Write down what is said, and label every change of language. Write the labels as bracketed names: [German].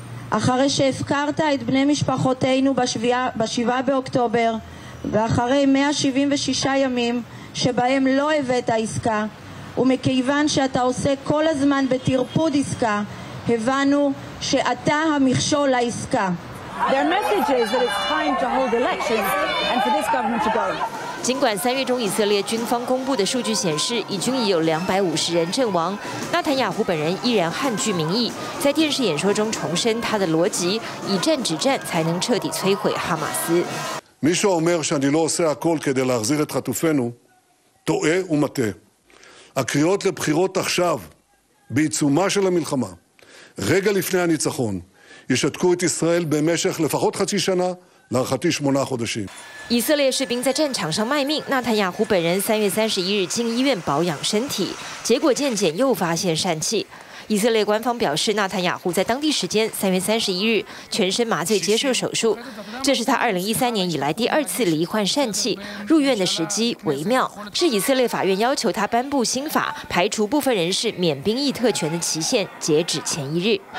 [Hebrew] אחרי שהפקרת את בני משפחותינו בשבעה באוקטובר ואחרי 176 ימים שבהם לא הבאת עסקה ומכיוון שאתה עושה כל הזמן בתרפוד עסקה הבנו שאתה המכשול לעסקה. [English] Their message is that it's time to hold elections and for this government to go. [Chinese] 尽管三月中以色列军方公布的数据显示已经已有250人阵亡，纳坦雅胡本人依然悍具民意，在电视演说中重申他的逻辑，以战止战才能彻底摧毁哈马斯。 [Hebrew] מי שאומר שאני לא עושה הכל כדי להחזיר את חטופינו טועה ומטעה. הקריאות לבחירות עכשיו בעיצומה של המלחמה רגע לפני הניצחון ישתקו את ישראל במשך לפחות 30 שנה להערכתי 8 חודשים。 [Chinese] 以色列士兵在战场上卖命，纳坦雅胡本人3月31日进医院保养身体，结果渐渐又发现疝气。以色列官方表示，纳坦雅胡在当地时间3月31日全身麻醉接受手术，这是他2013年以来第二次罹患疝气，入院的时机微妙，是以色列法院要求他颁布新法，排除部分人士免兵役特权的期限截止前一日。